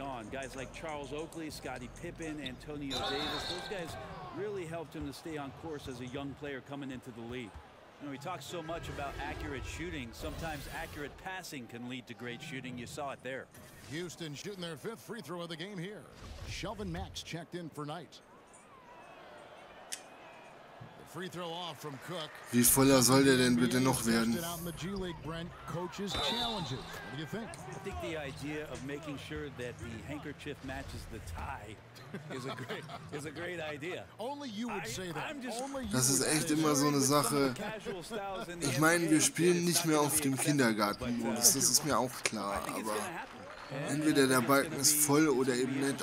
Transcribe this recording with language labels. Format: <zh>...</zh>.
<en>Guys like Charles Oakley, Scottie Pippen, Antonio Davis, those guys really helped him to stay on course as a young player coming into the league. You know, we talk so much about accurate shooting. Sometimes accurate passing can lead to great shooting. You saw it there. Houston shooting their 5th free throw of the game here. Shelvin Max checked in for Knight. Free throw off from Cook.</en> <de>Wie voller soll der denn bitte noch werden?</de> <en>What do you think? I think the idea of making sure that the handkerchief matches the tie is a great idea. Only you would say that.</en> <de>Das ist echt immer so eine Sache. Ich meine, wir spielen nicht mehr auf dem Kindergartenmodus. Das ist mir auch klar. Aber entweder der Balken ist voll oder eben nicht.</de>